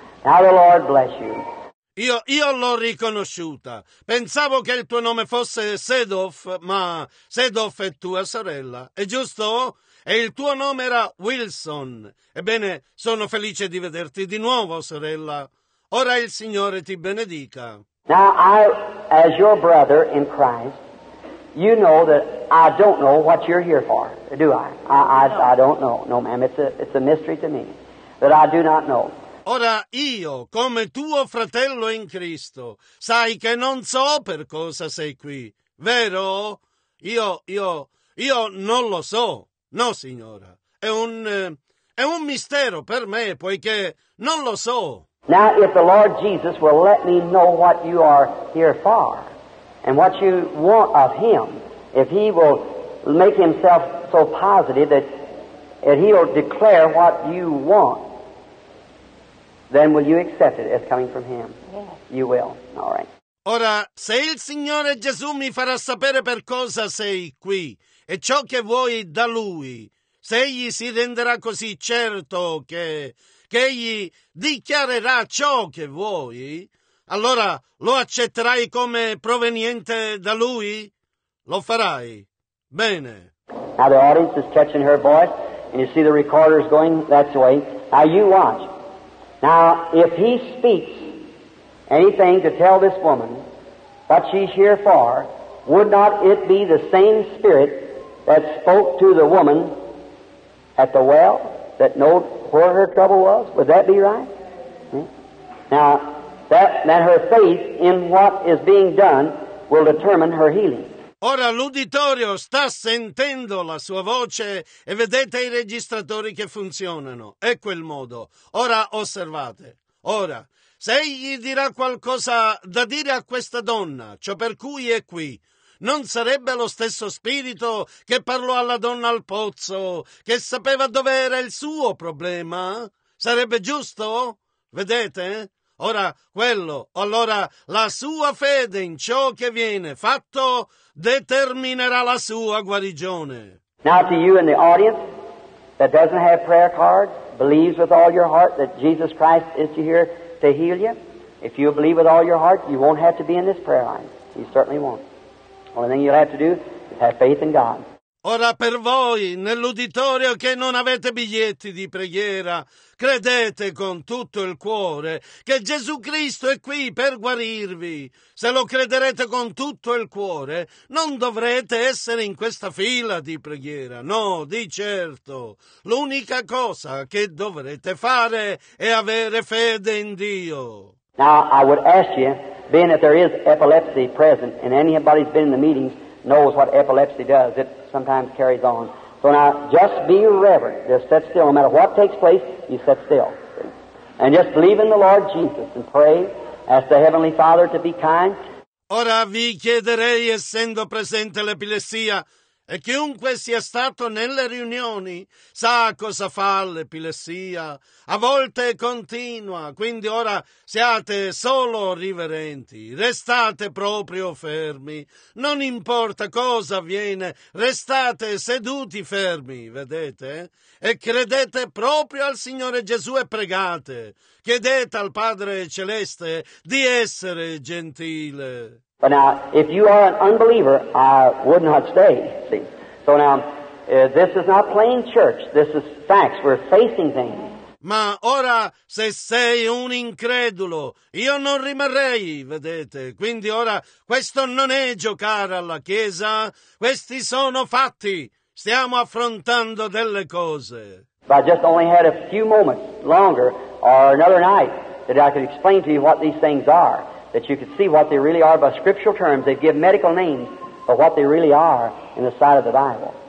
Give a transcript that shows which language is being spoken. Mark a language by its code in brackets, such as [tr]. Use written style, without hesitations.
[en] Now the Lord bless you. [it] Io l'ho riconosciuta. Pensavo che il tuo nome fosse Sudduth, ma Sudduth è tua sorella, è giusto? E il tuo nome era Wilson. Ebbene, sono felice di vederti di nuovo, sorella. Ora il Signore ti benedica. [en] Now, I, as your brother in Christ, you know that I don't know what you're here for, do I? I don't know. No, ma'am, it's a mystery to me that I do not know. [it] Ora io, come tuo fratello in Cristo, sai che non so per cosa sei qui, vero? Io non lo so. No, signora. È un mistero per me, poiché non lo so. [en] Now, if the Lord Jesus will let me know what you are here for and what you want of him, if he will make himself so positive that he will declare what you want, then will you accept it as coming from him? Yes. You will. All right. [it] Ora, se il Signore Gesù mi farà sapere per cosa sei qui e ciò che vuoi da Lui, se egli si renderà così certo che egli dichiarerà ciò che vuoi, allora lo accetterai come proveniente da Lui? Lo farai. Bene. [en] Now the audience is catching her voice and you see the recorder's going that way. Now you watch. Now, if he speaks anything to tell this woman what she's here for, would not it be the same spirit that spoke to the woman at the well that knew where her trouble was? Would that be right? Now, that her faith in what is being done will determine her healing. [it] Ora l'uditorio sta sentendo la sua voce e vedete i registratori che funzionano. Ecco il modo. Ora osservate. Ora, se egli dirà qualcosa da dire a questa donna, ciò per cui è qui, non sarebbe lo stesso spirito che parlò alla donna al pozzo, che sapeva dove era il suo problema? Sarebbe giusto? Vedete? Ora, quello, allora, la sua fede in ciò che viene fatto determinerà la sua guarigione. [en] Now to you in the audience that doesn't have prayer cards, believes with all your heart that Jesus Christ is here to heal you. If you believe with all your heart, you won't have to be in this prayer line. You certainly won't. Only thing you'll have to do is have faith in God. [it] Ora per voi, nell'uditorio che non avete biglietti di preghiera, credete con tutto il cuore che Gesù Cristo è qui per guarirvi. Se lo crederete con tutto il cuore, non dovrete essere in questa fila di preghiera. No, di certo. L'unica cosa che dovrete fare è avere fede in Dio. [en] Now, I would ask you, being that there is epilepsy present, and anybody who's been in the meetings knows what epilepsy does. It sometimes carries on. So now, just be reverent. Just sit still. No matter what takes place, you sit still. And just believe in the Lord Jesus and pray, ask the Heavenly Father to be kind. [it] Ora vi chiederei, essendo presente l'epilessia, e chiunque sia stato nelle riunioni sa cosa fa l'epilessia. A volte continua, quindi ora siate solo riverenti, restate proprio fermi. Non importa cosa avviene, restate seduti fermi, vedete? E credete proprio al Signore Gesù e pregate. Chiedete al Padre Celeste di essere gentile. [en] But now, if you are an unbeliever, I would not stay, see. So now, this is not plain church. This is facts. We're facing things. [it] Ma ora, se sei un incredulo, io non rimarrei, vedete. Quindi ora, questo non è giocare alla Chiesa. Questi sono fatti. Stiamo affrontando delle cose. [en] If I just only had a few moments longer or another night that I could explain to you what these things are, that you could see what they really are by scriptural terms. They give medical names for what they really are in the sight of the Bible.